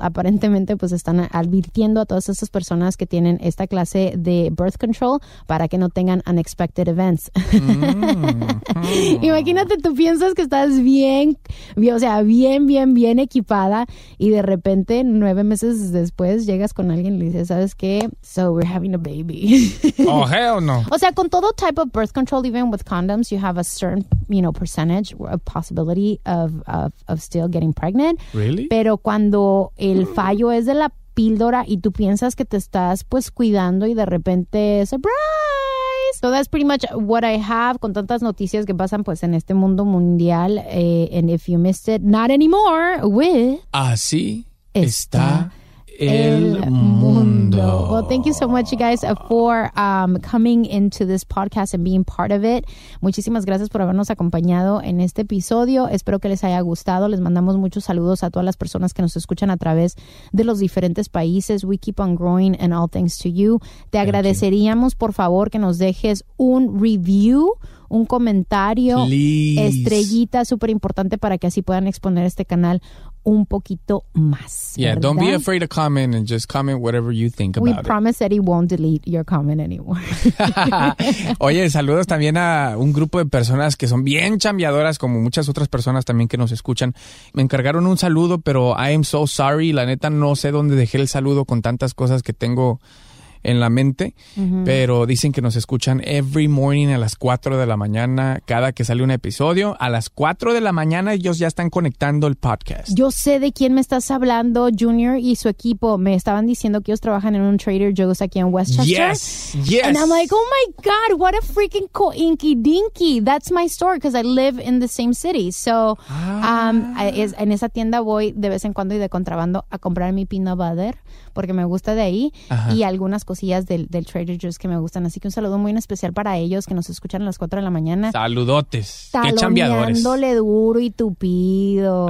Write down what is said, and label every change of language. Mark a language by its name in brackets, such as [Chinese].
[Spanish] Aparentemente, pues están advirtiendo a todas esas personas que tienen esta clase de birth control para que no tengan [English] unexpected events. [Spanish] Mm-hmm. Imagínate, tú piensas que estás bien, o sea, bien, bien, bien equipada y de repente, 9 meses después, llegas con alguien y le dices, ¿sabes qué? [English] So we're having a baby. Oh, hell no. [Spanish] O sea, con todo [English] type of birth control, even with condoms, you have a certain, you know, percentage of possibility of still getting pregnant. Really? [Spanish] Pero cuando el fallo es de la píldora y tú piensas que te estás pues cuidando y de repente surprise. [English] So that's pretty much what I have [Spanish] con tantas noticias que pasan pues en este mundo mundial. [English] And if you missed it, not anymore with [Spanish] Así está el mundo. [English] Well, thank you so much, you guys, for coming into this podcast and being part of it. [Spanish] Muchísimas gracias por habernos acompañado en este episodio. Espero que les haya gustado. Les mandamos muchos saludos a todas las personas que nos escuchan a través de los diferentes países. [English] We keep on growing and all thanks to you. [Spanish] Te agradeceríamos, por favor, que nos dejes un review, un comentario. [English] Please. [Spanish] Estrellita, súper importante para que así puedan exponer este canal un poquito más. [English] Yeah, [Spanish] ¿verdad? [English] Don't be afraid to comment and just comment whatever you think about it. We promise that he won't delete your comment anymore. [Spanish] Oye, saludos también a un grupo de personas que son bien chambeadoras, como muchas otras personas también que nos escuchan. Me encargaron un saludo, pero [English] I am so sorry. [Spanish] La neta, no sé dónde dejé el saludo con tantas cosas que tengo en la mente, pero dicen que nos escuchan [English] every morning [Spanish] a las 4 de la mañana, cada que sale un episodio, a las 4 de la mañana ellos ya están conectando el podcast. Yo sé de quién me estás hablando, Junior y su equipo. Me estaban diciendo que ellos trabajan en un Trader Joe's aquí en Westchester. [English] Yes, yes. And I'm like, oh my God, what a freaking coinky dinky. That's my store, because I live in the same city. [Spanish] So, en esa tienda voy de vez en cuando y de contrabando a comprar mi peanut butter, porque me gusta de ahí. Ajá. Y algunas cosillas del Trader Joe's que me gustan, así que un saludo muy en especial para ellos que nos escuchan a las 4 de la mañana. Saludotes. Qué chambeadores. Taloneándole duro y tupido.